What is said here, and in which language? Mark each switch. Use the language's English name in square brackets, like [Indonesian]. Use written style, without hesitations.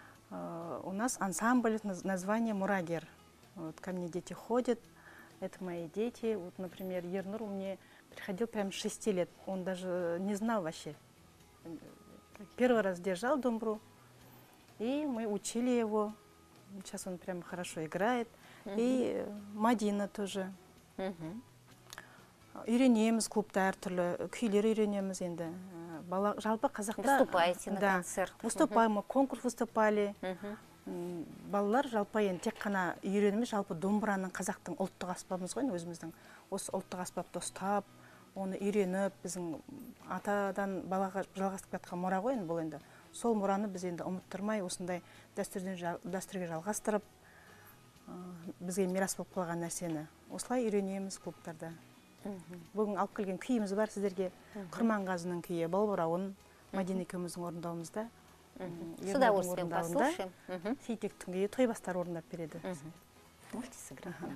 [Russian] У нас ансамбль, название «Мурагер». Вот ко мне дети ходят, это мои дети. Вот, например, Ернур мне приходил прям 6 лет. Он даже не знал вообще. Первый раз держал домбру, и мы учили его. Сейчас он прям хорошо играет. И Мадина тоже. [Kazakh] Үйренеміз клубта әртүрлі, күйлер үйренеміз енді. Жалпы қазақта... [Russian] Выступаете на концерт. Да, выступаем, конкурс выступали. [Kazakh] Балалар жалпы енді тек қана үйренеміз жалпы домбыраның қазақтың ұлттық аспабымыз ғой, өзіміздің осы ұлттық аспапты ұстап, оны үйреніп, біздің атадан балаға жалғастырып жатқан мұра ғой бұл енді. Сол мұраны біз енді ұмыттырмай, осындай дәстүрге жалғастырып, бізге мирас болып қалған нәрсені осылай үйренеміз клубтарда. Бүгін алып келген күйіміз бар сіздерге, Құрманғазының күйі, Балбырауын, Мадина екеуміздің орындауымызда. [Russian] С удовольствием послушаем. Сидик Тунги, то и осторожно передо. Можете сыграть?